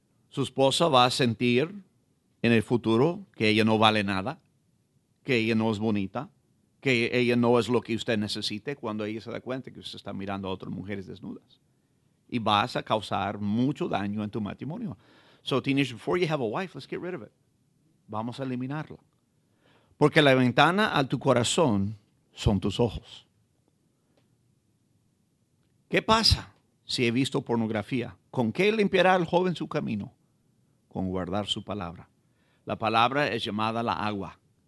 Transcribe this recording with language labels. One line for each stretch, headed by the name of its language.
Spanish: Su esposa va a sentir en el futuro que ella no vale nada, que ella no es bonita, que ella no es lo que usted necesite cuando ella se da cuenta que usted está mirando a otras mujeres desnudas. Y vas a causar mucho daño en tu matrimonio.
English: So, teenage, before you have a wife, let's get rid of it.
Spanish: Vamos a eliminarlo. Porque la ventana a tu corazón son tus ojos. ¿Qué pasa si he visto pornografía? ¿Con qué limpiará el joven su camino? Con guardar su palabra. La palabra es llamada la agua.